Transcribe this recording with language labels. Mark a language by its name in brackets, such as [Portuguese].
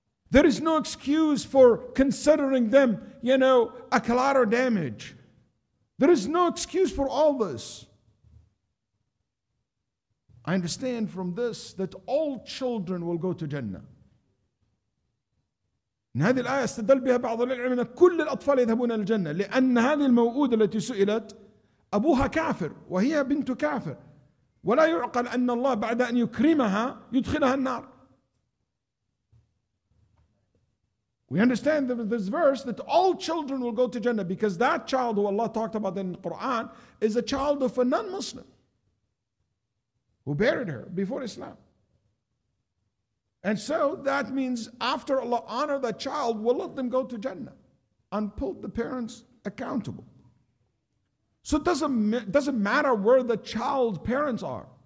[English] There is no excuse for considering them, you know, a collateral damage. There is no excuse for all this. I understand from this that all children will go to Jannah. [Arabic] إن هذه الآية استدل بها بعض العلماء أن كل الأطفال يذهبون إلى الجنة لأن هذه الموؤودة التي سئلت أبوها كافر وهي بنت كافر ولا يعقل أن الله بعد أن يكرمها يدخلها النار. [English] We understand that this verse that all children will go to Jannah because that child who Allah talked about in the Quran is a child of a non-Muslim who buried her before Islam. And so that means after Allah honor that child, we'll let them go to Jannah and pull the parents accountable. So it doesn't matter where the child's parents are.